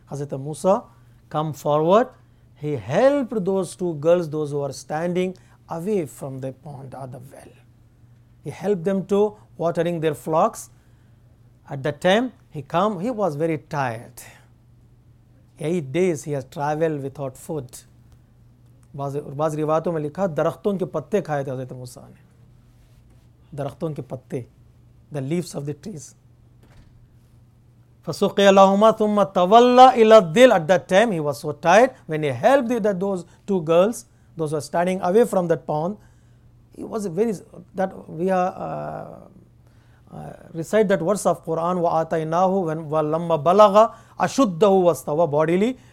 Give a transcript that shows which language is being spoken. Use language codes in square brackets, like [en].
[en] Hazrat Musa come forward. He helped those two girls, those who are standing away from the pond or the well. He helped them to watering their flocks. At that time, he was very tired. 8 days he has traveled without food. [ur] بعض روایتوں میں لکھا درختوں کے پتے کھائے تھے حضرت موسیٰ نے. درختوں کے پتے, [en] the leaves of the trees. [ar] فَسُقِيَ لَهُمَا ثُمَّ تَوَلَّ إِلَى الدِّلْ. [en] At that time he was so tired, when he helped those two girls, those who are standing away from that pond, he was very, that we are recite that verse of Quran, [ar] وَآتَيْنَاهُ وَلَمَّ بَلَغَ أَشُدَّهُ وَاسْتَوَى [en] bodily.